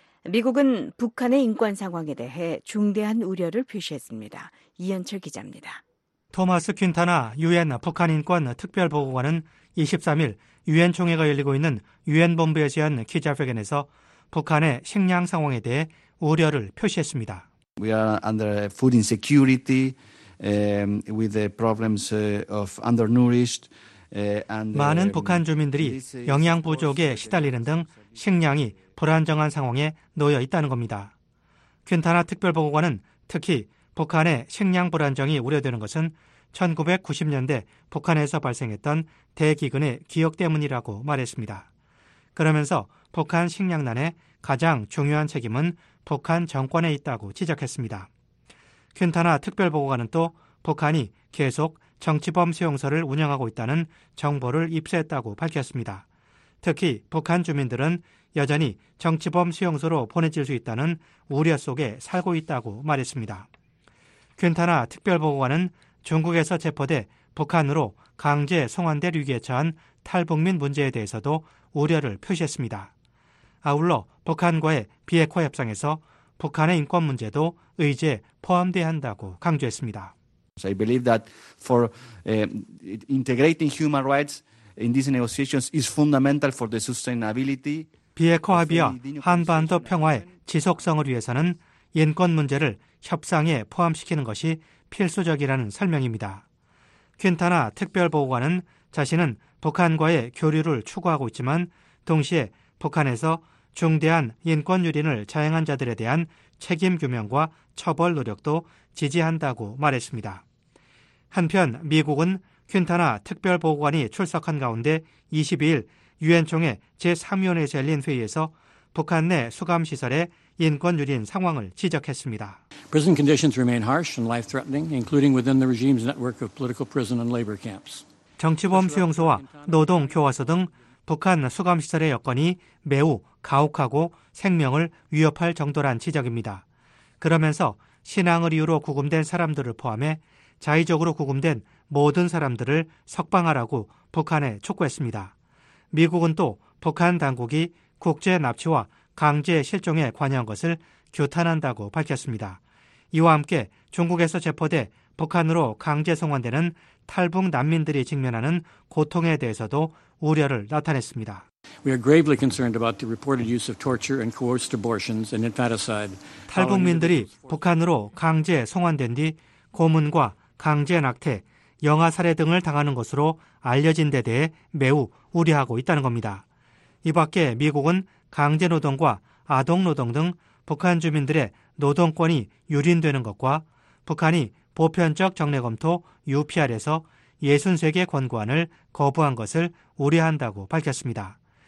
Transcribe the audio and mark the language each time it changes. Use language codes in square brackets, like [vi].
[ko] 미국은 북한의 인권 상황에 대해 중대한 우려를 표시했습니다. 이현철 기자입니다. 토마스 퀸타나 유엔 북한인권특별보고관은 23일 유엔 총회가 열리고 있는 유엔 본부에 제안 기자회견에서 북한의 식량 상황에 대해 우려를 표시했습니다. [en] We are under food insecurity with the problems of undernourished. [ko] 많은 북한 주민들이 영양 부족에 시달리는 등 식량이 불안정한 상황에 놓여 있다는 겁니다. 퀸타나 특별보고관은 특히 북한의 식량 불안정이 우려되는 것은 1990년대 북한에서 발생했던 대기근의 기억 때문이라고 말했습니다. 그러면서 북한 식량난의 가장 중요한 책임은 북한 정권에 있다고 지적했습니다. 퀸타나 특별보고관은 또 북한이 계속 정치범 수용소를 운영하고 있다는 정보를 입수했다고 밝혔습니다. 특히 북한 주민들은 여전히 정치범 수용소로 보내질 수 있다는 우려 속에 살고 있다고 말했습니다. 퀸타나 특별보고관은 중국에서 체포돼 북한으로 강제 송환될 위기에 처한 탈북민 문제에 대해서도 우려를 표시했습니다. 아울러 북한과의 비핵화 협상에서 북한의 인권 문제도 의제에 포함돼야 한다고 강조했습니다. [en] So I believe that for integrating human rights in these negotiations is fundamental for the sustainability. [ko] 비핵화 합의와 한반도 평화의 지속성을 위해서는 인권 문제를 협상에 포함시키는 것이 필수적이라는 설명입니다. 퀸타나 특별보고관은 자신은 북한과의 교류를 추구하고 있지만 동시에 북한에서 중대한 인권 유린을 자행한 자들에 대한 책임 규명과 처벌 노력도 지지한다고 말했습니다. 한편 미국은 퀸타나 특별보고관이 출석한 가운데 22일 유엔총회 제3위원회에서 열린 회의에서 북한 내 수감시설의 인권 유린 상황을 지적했습니다. [en] Prison conditions remain harsh and life-threatening, including within the regime's network of political prison and labor camps. [ko] 정치범 수용소와 노동 교화소 등 북한 수감시설의 여건이 매우 가혹하고 생명을 위협할 정도란 지적입니다. 그러면서 신앙을 이유로 구금된 사람들을 포함해 자의적으로 구금된 모든 사람들을 석방하라고 북한에 촉구했습니다. 미국은 또 북한 당국이 국제 납치와 강제 실종에 관여한 것을 규탄한다고 밝혔습니다. 이와 함께 중국에서 체포돼 북한으로 강제 송환되는 탈북 난민들이 직면하는 고통에 대해서도 우려를 나타냈습니다. [en] We are gravely concerned about the reported use of torture and coerced abortions and infanticide. [ko] 탈북민들이 북한으로 강제 송환된 뒤 고문과 강제 낙태, 영아 살해 등을 당하는 것으로 알려진 데 대해 매우 우려하고 있다는 겁니다. 이 밖에 미국은 강제노동과 아동노동 등 북한 주민들의 노동권이 유린되는 것과 북한이 보편적 정례검토 UPR에서 63개 권고안을 거부한 것을 우려한다고 밝혔습니다.